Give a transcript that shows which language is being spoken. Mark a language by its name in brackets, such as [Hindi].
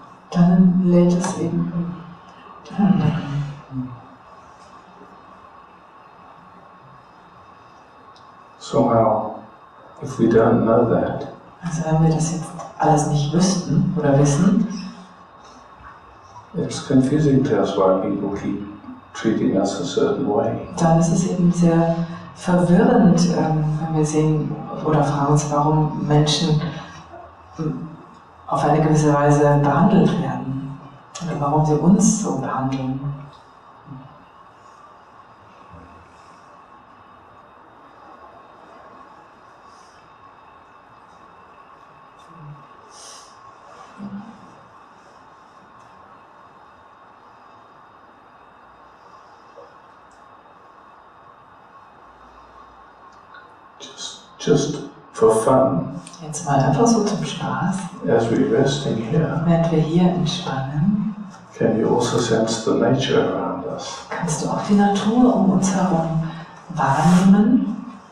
[German] Dann lädt es eben ein. [English] Somehow. If we don't know that, [German] also wenn wir das jetzt alles nicht wüssten oder wissen, [English] it's confusing to us why people keep treating us a certain way. [German] Dann ist es eben sehr verwirrend, wenn wir sehen oder fragen uns, warum Menschen auf eine gewisse Weise behandelt werden oder warum sie uns so behandeln. [English] Just for fun. [German] Jetzt mal einfach so zum Spaß. [English] As we resting here. [German] Während wir hier entspannen. [English] Can you also sense the nature around us? [German] Kannst du auch die Natur um uns herum wahrnehmen?